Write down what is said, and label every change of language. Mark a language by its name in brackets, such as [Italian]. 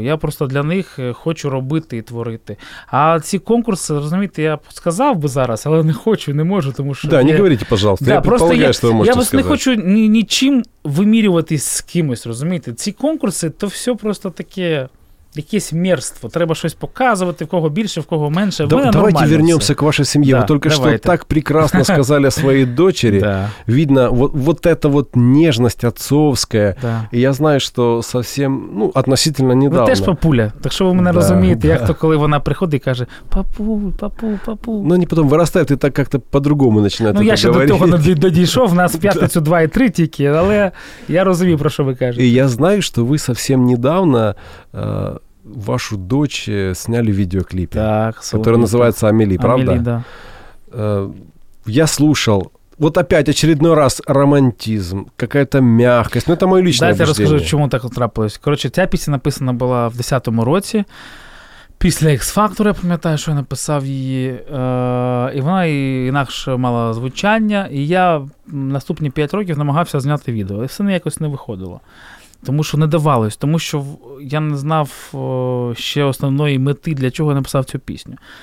[Ukrainian] Я просто для них хочу робити і творити. А ці конкурси, розумієте, я б сказав би зараз, але не хочу, не можу, тому що... [Russian] Да, не говорите, пожалуйста, я предполагаю, [Ukrainian] що ви можете сказати. Я не хочу нічим вимірюватись з кимось, розумієте? Ці конкурси, то все просто таке... Якесь мерство, треба щось показувати, в кого більше, в кого менше. [Russian] Да, давайте нормально. Вернемся к вашей семье. Да, вы только давайте. Что так прекрасно сказали о своей дочери. Видно, вот эта вот нежность отцовская. Я знаю, что совсем, ну, относительно недавно. Вы тоже папуля, так что вы меня разумеете, как то, когда она приходит и говорит, папу. Ну, они потом вырастают и так как-то по-другому начинают это говорить. Ну, я еще до того дойшов, у нас в пятницу 2 и 3 [Ukrainian] тільки, але я розумію, [Russian] про что вы кажете. И я знаю, что вы совсем недавно... вашу дочь сняли в видеоклипе, [Ukrainian] так, [Russian] который называется «Амели», правда? «Амели», да. Я слушал. Вот опять очередной раз романтизм, какая-то мягкость. Ну, это мое личное убеждение. Дайте я расскажу, чему так трапилось. Короче, эта песня написана была в 2010 році. [Ukrainian] Після X-Factor, я пам'ятаю, що я написав її, і вона інакше мала звучання, і я наступні 5 років намагався зняти відео, і все якось не виходило. Тому що не давалось, тому що я не знав ще основної мети, для чого я написав цю пісню.